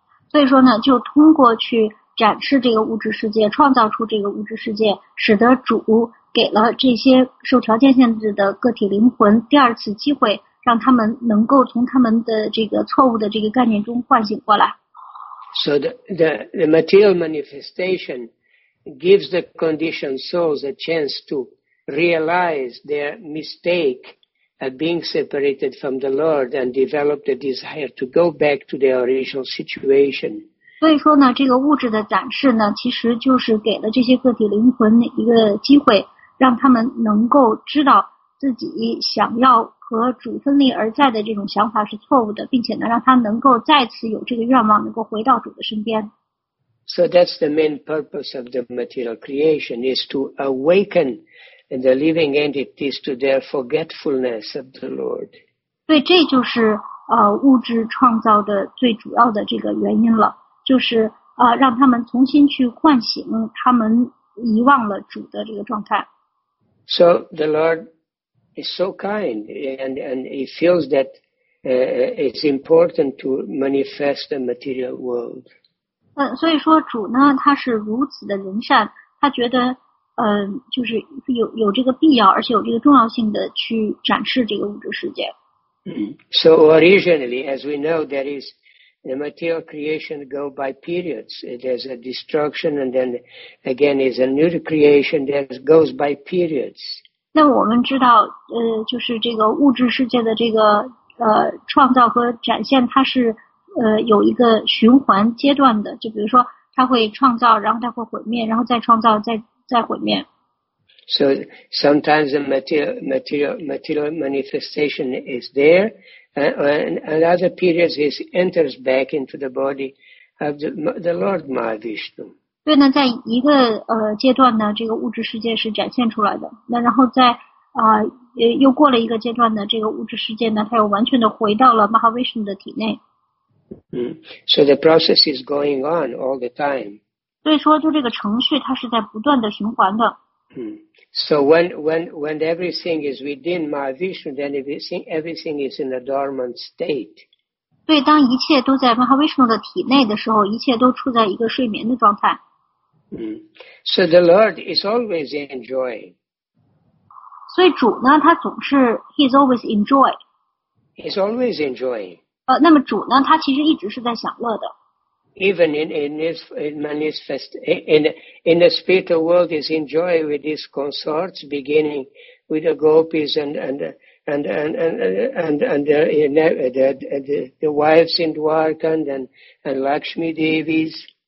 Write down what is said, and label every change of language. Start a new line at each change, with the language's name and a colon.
Chinese: 所以说呢，就通过去展示这个物质世界，创造出这个物质世界，使得主给了这些受条件限制的个体灵魂第二次机会，让他们能够从他们的这个错误的这个概念中唤醒过来。
English: So the material manifestation gives the conditioned souls a chance to realize their mistake at being separated from the Lord and develop the desire to go back to their original situation.
Chinese: 所以说呢，这个物质的展示呢，其实就是给了这些个体灵魂一个机会，让他们能够知道自己想要和主分离而在的这种想法是错误的，并且呢，让他能够再次有这个愿望，能够回到主的身边。
English: So that's the main purpose of the material creation, is to awaken the living entities to their forgetfulness of the Lord.
Chinese: 对，这就是物质创造的最主要的这个原因了，就是让他们重新去唤醒他们遗忘了主的这个状态。
English: So the Lord is so kind, and he feels that it's important to manifest the material world.
Chinese: 所以说主呢，他是如此的仁善，他觉得就是有这个必要，而且有这个重要性的去展示这个物质世界。
English: So originally, as we know, there is the material creation go by periods. There's a destruction, and then again is a new creation that goes by periods.
Chinese: 那我们知道，就是这个物质世界的这个创造和展现，它是有一个循环阶段的。就比如说，它会创造，然后它会毁灭，然后再创造，再毁灭。
English: So sometimes the material manifestation is there, and other periods it enters back into the body of the Lord Mahavishnu.
Chinese: 对呢，在一个阶段呢，这个物质世界是展现出来的。那然后在又过了一个阶段呢，这个物质世界呢，它又完全的回到了 Mahavishnu 的体内。
English: So the process is going on all the time.
Chinese: 所以说，就这个程序，它是在不断的循环的。
English: So when everything is within Mahavishnu, then everything is in a dormant state.
Chinese: 对，当一切都在 Mahavishnu 的体内的时候，一切都处在一个睡眠的状态。
English: So the Lord is always enjoying.
Chinese: 所以主呢，他总是
English: he's always enjoy. He's always enjoying.
Chinese: 那么主呢，他其实一直是在享乐的。
English: Even in the spiritual world, is enjoy with his consorts, beginning with the gopis and the wives in Dwarka and Lakshmi Devis.